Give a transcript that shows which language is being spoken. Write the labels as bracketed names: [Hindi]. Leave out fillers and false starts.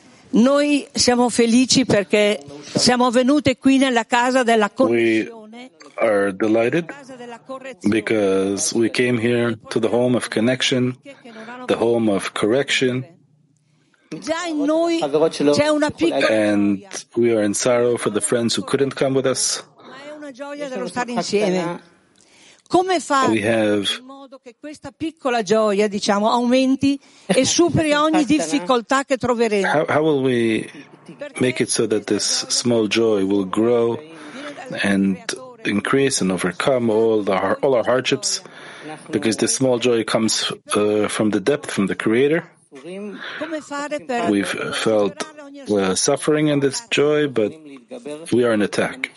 [Italian] Noi siamo felici perché siamo venute qui nella casa della connessione. [English] We are delighted because we came here to the home of connection, the home of correction. [Italian] Già in noi c'è una piccola. [English] And we are in sorrow for the friends who couldn't come with us. [Italian] Ma è una gioia dello stare insieme. Come fa in modo che questa piccola gioia, diciamo, aumenti e superi ogni difficoltà che troveremo? [English] How will we make it so that this small joy will grow and increase and overcome all our hardships? Because this small joy comes from the depth, from the Creator. We've felt suffering in this joy, but we are in attack.